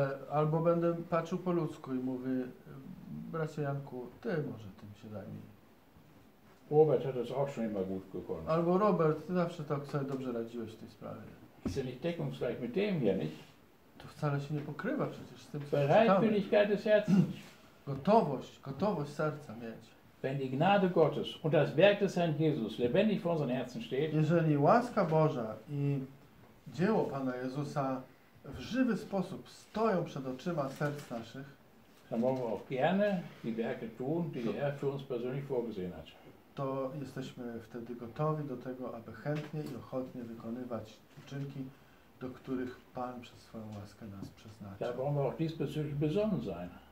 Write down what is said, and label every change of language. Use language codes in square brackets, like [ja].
[pl] Albo będę patrzył po ludzku i mówię, bracie Janku, ty może tym się zajmij. [de] Robert hat das auch schon immer gut gekonnt. [pl] Albo Robert, ty zawsze tak sobie dobrze radziłeś w tej sprawie. [de] Ist ja nicht deckungsgleich mit dem hier, nicht? [pl] To wcale się nie pokrywa przecież z tym, co [de] Bereitwilligkeit des Herzens. [pl] Gotowość serca mieć. [de] Wenn die Gnade Gottes und das Werk des Herrn Jesus lebendig vor unseren Herzen steht. [pl] Jeżeli łaska Boża i dzieło Pana Jezusa w żywy sposób stoją przed oczyma serc naszych, [de] dann wollen wir auch gerne die Werke tun, die der Herr für uns persönlich vorgesehen hat. [pl] To jesteśmy wtedy gotowi do tego, aby chętnie i ochotnie wykonywać uczynki, do których Pan przez swoją łaskę nas przeznaczył. [de] Da wollen wir auch diesbezüglich besonnen sein.